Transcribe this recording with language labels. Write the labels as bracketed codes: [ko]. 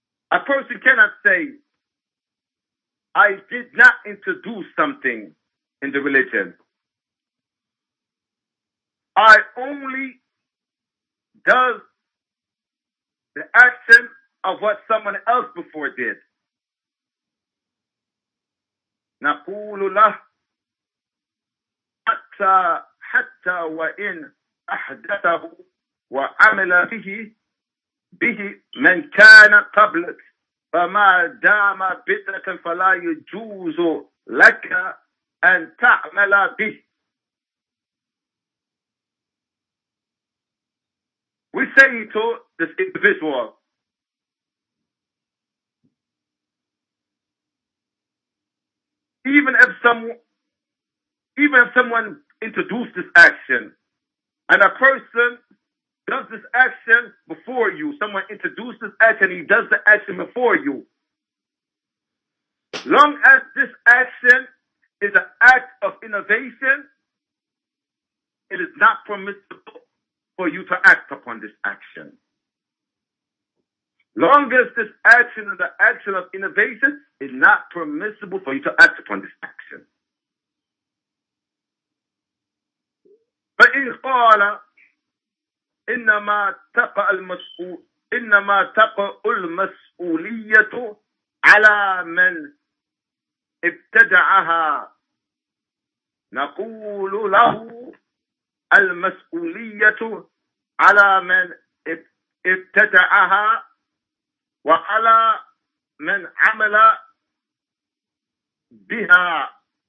[en] A person cannot say, I did not introduce something in the religion. I only does the action of what someone else before did. [ar] نَقُولُ لَهُ حتى وإن أحدثه وعمل به من كان قبلك فما دام بدعة فلا يجوز لك أن تعمل به. [en] We say to this individual, even if someone introduced this action, and a person does this action before you, someone introduced this action, he does the action before you, long as this action is an act of innovation, it is not permissible for you to act upon this action. Long as this action is an action of innovation, it is not permissible for you to act upon this action. [ar] فإن قال إنما تقع المسؤولية على من ابتدعها نقول له المسؤولية على من ابتدعها وعلى من عمل بها.